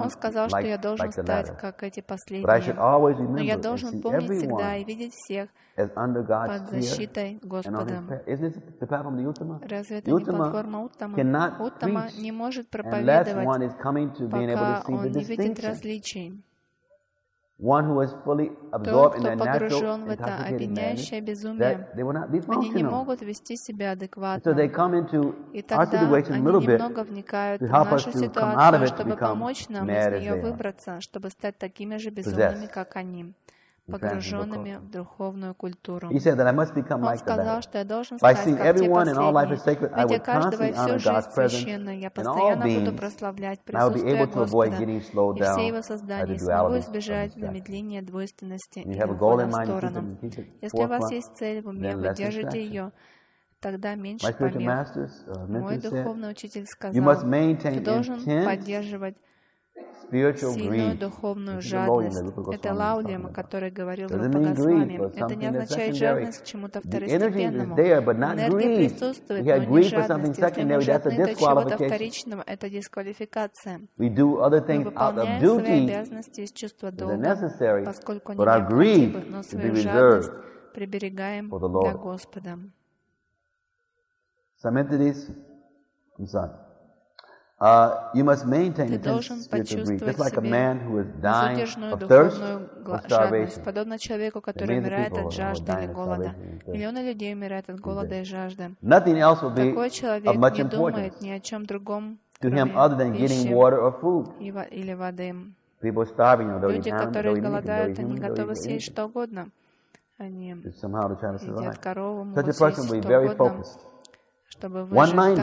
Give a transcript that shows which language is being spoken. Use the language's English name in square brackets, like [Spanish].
[Russian] Он сказал, что я должен стать, как эти последние. Но я должен помнить всегда и видеть всех под защитой Господа. Разве это не платформа Уттама? Уттама не может проповедовать, пока он не видит различий. [English] One who is fully absorbed in that natural intoxicated manner, that they will not be functional. So they come into our situation a little bit to help us to come out of it, to become mad as they are, possessed. He said that I must become like the latter. By seeing everyone in all life as sacred, I would constantly honor God's presence in all beings, and I would be able to avoid getting slowed down by the duality of distraction. You have a goal in mind, you keep it forefront, then let's distract. [Russian] тогда меньше помех. Мой духовный учитель сказал, ты должен поддерживать сильную духовную жадность. Это Лаудиама, который говорил в Рупа-Госвами. Это не означает жадность к чему-то второстепенному. Энергия присутствует, но не жадность. Если мы жадны до чего-то вторичного, это дисквалификация. Мы выполняем свои обязанности из чувства долга, поскольку они необходимы, но свою жадность приберегаем для Господа. [English] Some entities, I'm sorry. You must maintain a spiritual greed, just like a man who is dying of thirst or starvation. [Russian] Подобно человеку, который умирает от жажды или голода, миллионы людей умирают от голода и жажды. [English] Nothing else will be of much importance to him other than getting water or food. [Russian] Или воды. [English] People starving, although [Russian] люди, которые голодают, они готовы съесть что угодно. Они едят корову, могут съесть что угодно. Чтобы выжить.